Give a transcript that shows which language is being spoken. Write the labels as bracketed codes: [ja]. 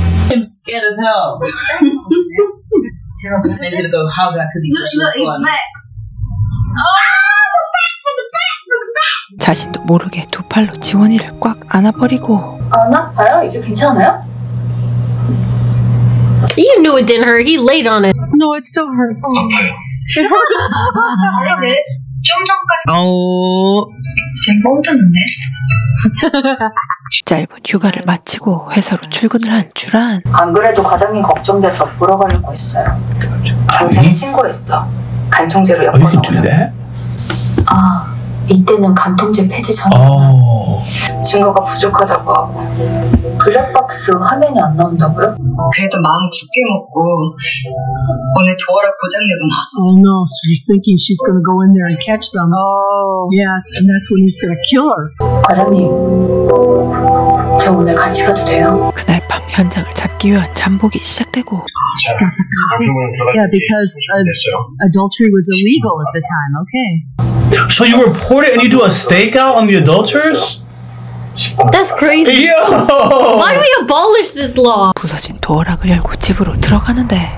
[en] I'm scared as hell. Terrible. I'm gonna go hug that because he's looking for one. Look, he's back. [ko] 자신도 모르게 두 팔로 지원이를 꽉 안아버리고. 안아봐요. 이제 괜찮아요? [en] You knew it didn't hurt. He laid on it. No, it still hurts. [ko] 아파요. [en] It hurts. [ko] 짧은 휴가를 마치고 회사로 출근을 한 주란. 안 그래도 과장님 걱정돼서 보러 가려고 했어요. 당장 신고했어. 간통제로 엮어 놓으려고. 아, 이때는 간통제 폐지 전이구나. 증거가 부족하다고 하고. 블랙박스 화면이 안 나온다고요? 그래도 마음 굳게 먹고 오늘 도어락 고장내고 나왔어. [en] Oh no, so he's thinking she's gonna go in there and catch them. Oh. Yes, and that's when he's gonna kill her. [ko] 과장님, 저 오늘 같이 가도 돼요? 그날 밤 현장을 잡기 위한 잠복이 시작되고. [en] Yeah, because adultery was illegal at the time, okay. So you report it and you do a stakeout on the adulterers? That's crazy. Yo! Why do we abolish this law? [ko] 부서진 도어락을 열고 집으로 들어가는데.